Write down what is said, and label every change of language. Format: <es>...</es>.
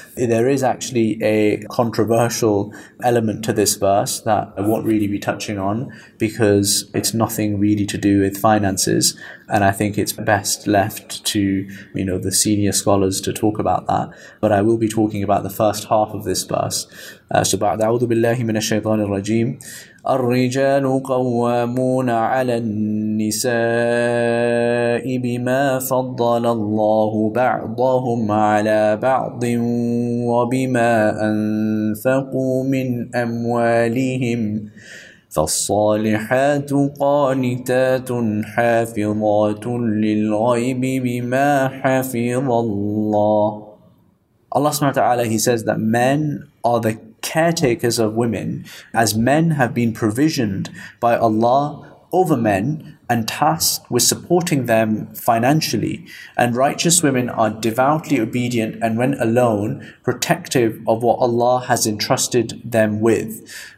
<en>There is actually a controversial element to this verse that I won't really be touching on because it's nothing really to do with finances. And I think it's best left to, you know, the senior scholars to talk about that. But I will be talking about the first half of this verse.</en> <ar>So أعوذ بالله من الشيطان الرجيم الرجال قوامون على النساء بما فضل الله بعضهم على بعض وبما أنفقوا من أموالهم فالصالحات قانتات حافظات للغيب بما حفظ الله.</ar> <en>Allah subhanahu wa ta'ala, he says that men are the caretakers of women, as men have been provisioned by Allah over men and tasked with supporting them financially. And righteous women are devoutly obedient and, when alone, protective of what Allah has entrusted them with.</en>